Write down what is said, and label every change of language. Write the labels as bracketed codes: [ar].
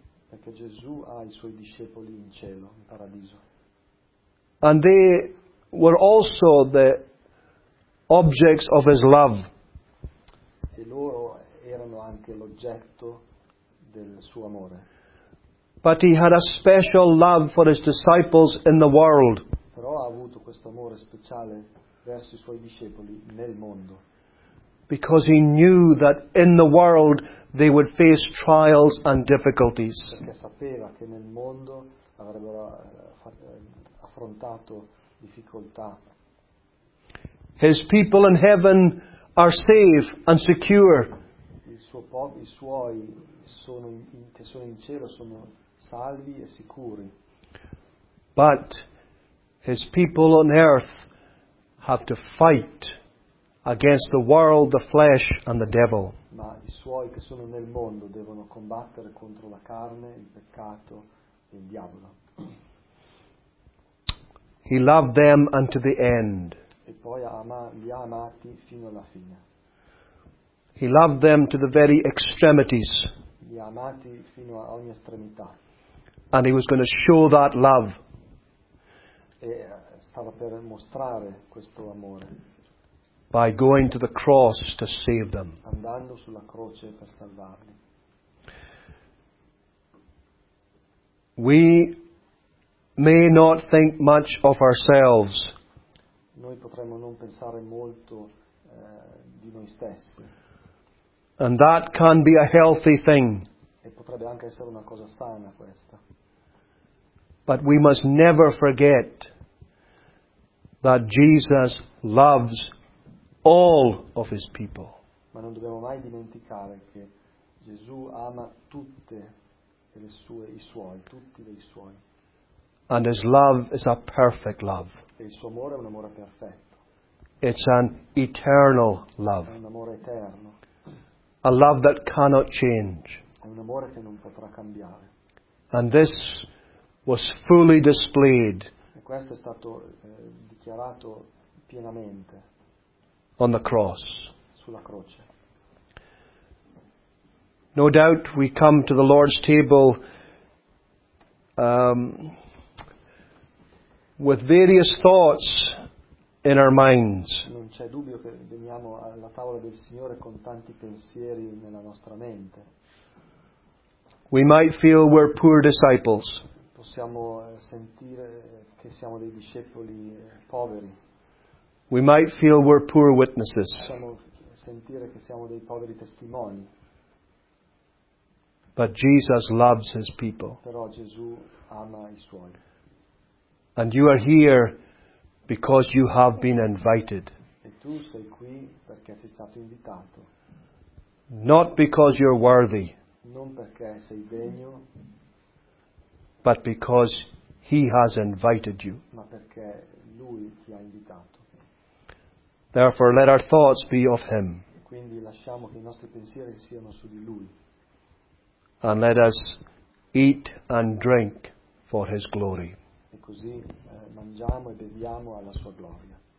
[it] Perché Gesù ha i suoi discepoli in cielo, in paradiso. [en] And they were also the objects of his love. [it] E loro erano anche l'oggetto del suo amore. [en] But he had a special love for his disciples in the world. [it] Però ha avuto questo amore speciale verso i suoi discepoli nel mondo. [en] Because he knew that in the world they would face trials and difficulties. [it] Perché sapeva che nel mondo avrebbero affrontato difficoltà. [en] His people in heaven are safe and secure. [it] I suoi che sono in cielo sono salvi e sicuri. [en] But his people on earth have to fight against the world, the flesh, and the devil. [it] Ma i suoi che sono nel mondo devono combattere contro la carne, il peccato e il diavolo. [en] He loved them unto the end. [it] E poi li ha amati fino alla fine. [en] He loved them to the very extremities. [it] Li ha amati fino a ogni estremità. [en] And he was going to show that love. [it] E stava per mostrare questo amore. [en] By going to the cross to save them. [it] Andando sulla croce per salvarli. [en] We may not think much of ourselves. [it] Noi potremmo non pensare molto di noi stessi. [en] And that can be a healthy thing. [it] E potrebbe anche essere una cosa sana questa. [en] But we must never forget that Jesus loves all of his people. [it] Ma non dobbiamo mai dimenticare che Gesù ama tutte le sue, i suoi, tutti dei suoi. [en] And his love is a perfect love. [it] E il suo amore è un amore perfetto. [en] It's an eternal love. [it] È un amore eterno. [en] A love that cannot change. [it] È un amore che non potrà cambiare. [en] And this was fully displayed. [it] E questo è stato dichiarato pienamente. [en] On the cross. [it] Sulla croce. [en] No doubt we come to the Lord's table with various thoughts in our minds. [it] Non c'è dubbio che veniamo alla tavola del Signore con tanti pensieri nella nostra mente. [en] We might feel we're poor disciples. [it] Possiamo sentire che siamo dei discepoli poveri. [en] We might feel we're poor witnesses. [it] Possiamo sentire che siamo dei poveri testimoni. [en] But Jesus loves his people. [it] Però Gesù ama i suoi. [en] And you are here because you have been invited. [it] E tu sei qui perché sei stato invitato. [en] Not because you're worthy. [it] Non perché sei degno. [en] But because he has invited you. [it] Ma perché lui ti ha invitato. [en] Therefore, let our thoughts be of him. [it] Quindi lasciamo che i nostri pensieri siano su di lui. [en] And let us eat and drink for his glory. [it] E così mangiamo e beviamo alla sua gloria.